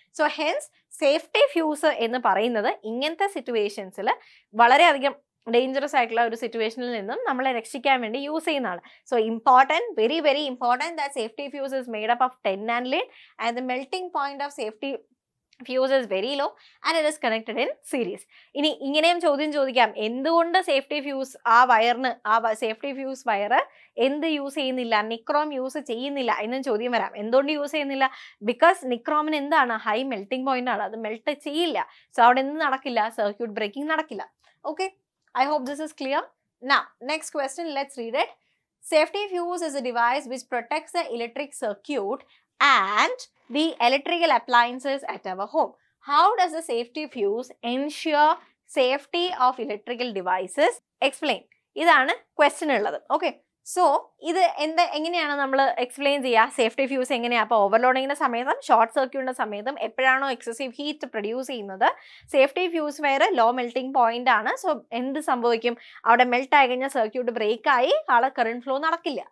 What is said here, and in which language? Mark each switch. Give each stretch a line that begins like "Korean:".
Malayalam: So hence safety fuse എന്ന് പറയുന്നത് ഇങ്ങനത്തെ സിറ്റുവേഷൻസിൽ വളരെയധികം ഡേഞ്ചറസ് ആയിട്ടുള്ള ഒരു സിറ്റുവേഷനിൽ നിന്നും നമ്മളെ രക്ഷിക്കാൻ വേണ്ടി യൂസ് ചെയ്യുന്നതാണ്.
English: So important, very very important that safety fuse is made up of tin and lead and the melting point of safety fuse is very low and it is connected in series.
Malayalam: ഇനി ഇങ്ങനെയും ചോദ്യം ചോദിക്കാം, എന്തുകൊണ്ട് safety fuse ആ വയറിന് ആ safety fuse വയറ് എന്ത് യൂസ് ചെയ്യുന്നില്ല, നിക്രോം യൂസ് ചെയ്യുന്നില്ല എന്നും ചോദ്യം വരാം. എന്തുകൊണ്ട് യൂസ് ചെയ്യുന്നില്ല? ബിക്കോസ് നിക്രോമിന് എന്താണ്, ഹൈ മെൽട്ടിംഗ് പോയിന്റ് ആണ്, അത് മെൽട്ട് ചെയ്യില്ല. സോ അവിടെ എന്ത് നടക്കില്ല, സർക്യൂട്ട് ബ്രേക്കിംഗ് നടക്കില്ല.
English: Okay, I hope this is clear. നാ next question, let's read it. Safety fuse is a device which protects the electric circuit and the electrical appliances at our home. How does the safety fuse ensure safety of electrical devices? Explain.
Malayalam: ഇതാണ് question ഉള്ളത്.
English: Okay, so
Malayalam: ഇത് എന്താ, എങ്ങനെയാണ് നമ്മൾ explain ചെയ്യുക safety fuse എങ്ങനെയാണ്? അപ്പോൾ ഓവർലോഡിങ്ങിൻ്റെ സമയത്തും ഷോർട്ട് സർക്യൂട്ടിൻ്റെ സമയത്തും എപ്പോഴാണോ എക്സസീവ് ഹീറ്റ് പ്രൊഡ്യൂസ് ചെയ്യുന്നത്, സേഫ്റ്റി ഫ്യൂസ് വയറ് ലോ മെൽട്ടിംഗ് പോയിന്റ് ആണ്. സോ എന്ത് സംഭവിക്കും, അവിടെ മെൽട്ട് ആയി കഴിഞ്ഞാൽ സർക്യൂട്ട് ബ്രേക്കായി, ആളെ കറണ്ട് ഫ്ലോ നടക്കില്ല.